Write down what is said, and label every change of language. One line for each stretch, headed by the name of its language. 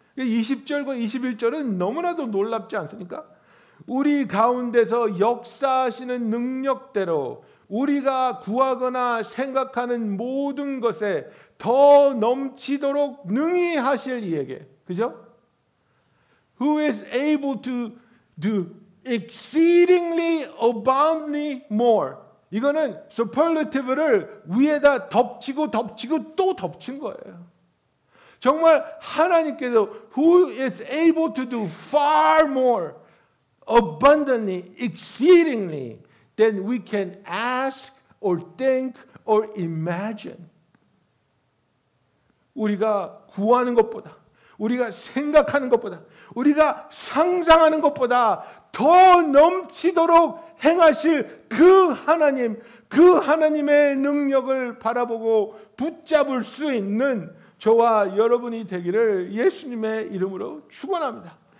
Korean: 20절과 21절은 너무나도 놀랍지 않습니까? 우리 가운데서 역사하시는 능력대로 우리가 구하거나 생각하는 모든 것에 더 넘치도록 능히 하실 이에게, 그죠?
English: Who is able to do exceedingly abundantly more?
Korean: 이거는 superlative를 위에다 덮치고 덮치고 또 덮친 거예요. 정말 하나님께서
English: who is able to do far more abundantly, exceedingly than we can ask or think or imagine.
Korean: 우리가 구하는 것보다, 우리가 생각하는 것보다, 우리가 상상하는 것보다 더 넘치도록 행하실 그 하나님, 그 하나님의 능력을 바라보고 붙잡을 수 있는 저와 여러분이 되기를 예수님의 이름으로 축원합니다.